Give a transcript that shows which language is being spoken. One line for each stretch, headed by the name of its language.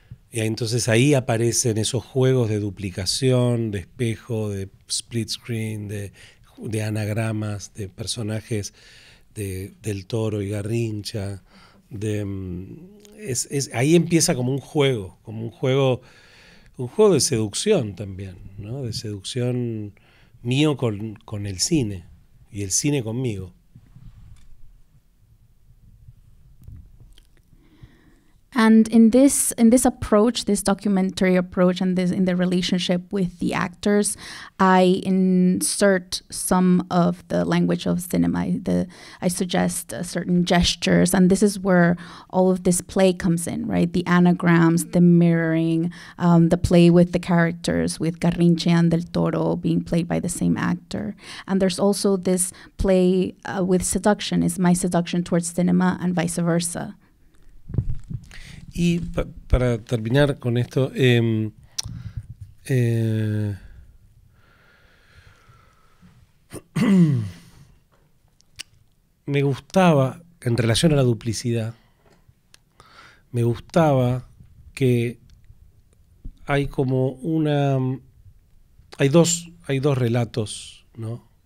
Spanish: Y entonces ahí aparecen esos juegos de duplicación, de espejo, de split screen, de anagramas, de personajes de Del Toro y Garrincha, de ahí empieza como un juego, de seducción también, ¿no? De seducción mío con el cine y el cine conmigo.
English: And in this approach, this documentary approach, and this in the relationship with the actors, I insert some of the language of cinema. I suggest certain gestures, and this is where all of this play comes in, right? The anagrams, the mirroring, the play with the characters, with Garrinche and Del Toro being played by the same actor. And there's also this play with seduction. Is my seduction towards cinema and vice versa?
Spanish: Y para terminar con esto, me gustaba, en relación a la duplicidad, me gustaba que hay como una, hay dos relatos, ¿no?